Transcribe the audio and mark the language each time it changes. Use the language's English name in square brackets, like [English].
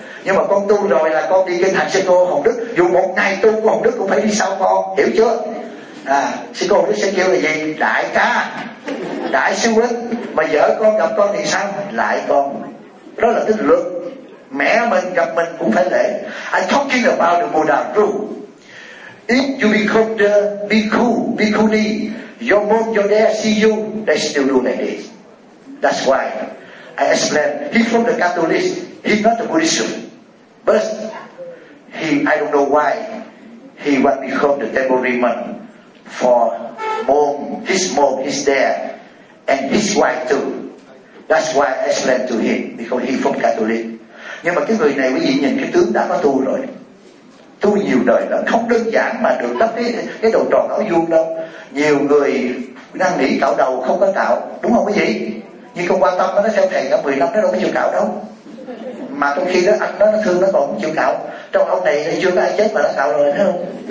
[Vietnamese] Nhưng mà con tu rồi là con đi kinh hành sư cô Hồng Đức, dù một ngày tu của Hồng Đức cũng phải đi sau con, hiểu chưa? Sư cô Hồng Đức sẽ kêu là gì? Đại ca, đại sư huynh. Mà vợ con gặp con thì sao? Lại con. Đó là cái luật. Mẹ mình gặp mình cũng phải lễ. [English] I'm talking about the Buddha rule. If you become the bhikkhu, bhikkhuni, your mom, your dad see you, they still do like this. That's why I explain. He from the Catholic, he not the Buddhist. But he, I don't know why, he want become the temporary monk for mom, his dad, and his wife too. That's why I explain to him, because he from Catholic. [Vietnamese] Nhưng mà cái người này quý vị nhìn cái tướng đã có tu rồi, tu nhiều đời là không đơn giản mà được đắp cái đầu tròn áo vuông đâu. Nhiều người năn nỉ cạo đầu không có cạo, đúng không quý vị? Nhưng không quan tâm nó sẽ thầy cả 10 năm nó đâu có chịu cạo đâu. mà trong khi đó anh nó thương nó còn chịu cạo. Trong ông này chưa có ai chết mà nó cạo rồi, thấy không?